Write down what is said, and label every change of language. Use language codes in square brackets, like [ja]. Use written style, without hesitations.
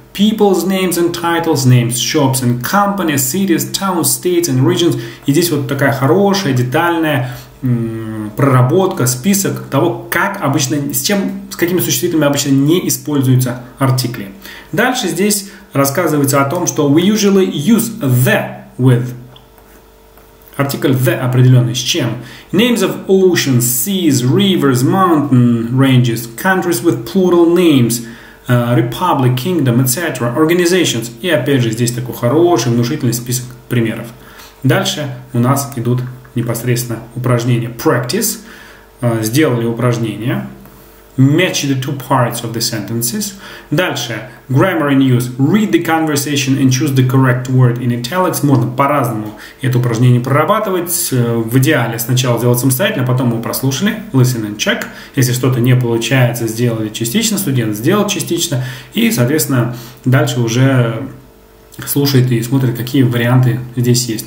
[en] People's names and titles, names, shops and companies, cities, towns, states and regions. [ru] И здесь вот такая хорошая, детальная проработка, список того, как обычно, с какими существительными обычно не используются артикли. Дальше здесь рассказывается о том, что [en] we usually use the with. [ru] Артикль the определенный, с чем. [en] Names of oceans, seas, rivers, mountain ranges, countries with plural names. Republic, Kingdom, etc., organizations. [ru] И опять же, здесь такой хороший, внушительный список примеров. Дальше у нас идут непосредственно упражнения. [en] Practice. [ru] Сделали упражнение. [en] Match the two parts of the sentences. [ru] Дальше. [en] Grammar in use. Read the conversation and choose the correct word in italics. [ru] Можно по-разному это упражнение прорабатывать. В идеале сначала сделать самостоятельно, потом мы прослушали. [en] Listen and check. [ru] Если что-то не получается, сделали частично. Студент сделал частично. И, соответственно, дальше уже слушает и смотрит, какие варианты здесь есть.